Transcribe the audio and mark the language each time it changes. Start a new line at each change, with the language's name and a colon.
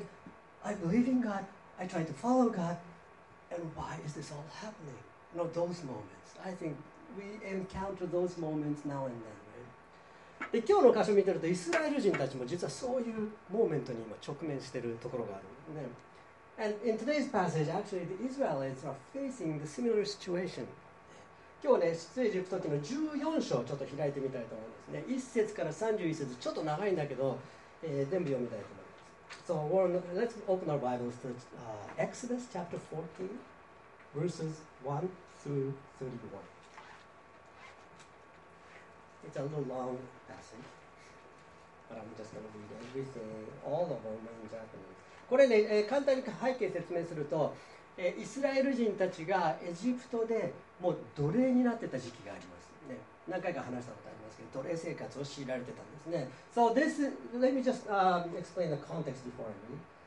English: Like, I believe in God, I try to follow God, and why is this all happening? No, those moments. I think we encounter those moments now and then.
Japanese: で今日の箇所見てるとイスラエル人たちも実はそういうモーメントに今直面しているところがあるね。
English: And in today's passage, actually the Israelites are facing the similar situation.
Japanese: 今日ね、出エジプト記の14章ちょっと開いてみたいと思うんですね。 1節から31節、ちょっと長いんだけど、全部読みたいと思います。
English: So let's open our Bibles to Exodus chapter 14, verses 1 through 31. It's a little long passage, but I'm just going to read everything, all of them in Japanese.
Japanese: これね、簡単に背景説明すると、イスラエル人たちがエジプトでもう奴隷になってた時期があります、ね。何回か話したことありますけど、奴隷生活を強いられてたんですね。
English: So this, let me just explain the context before me.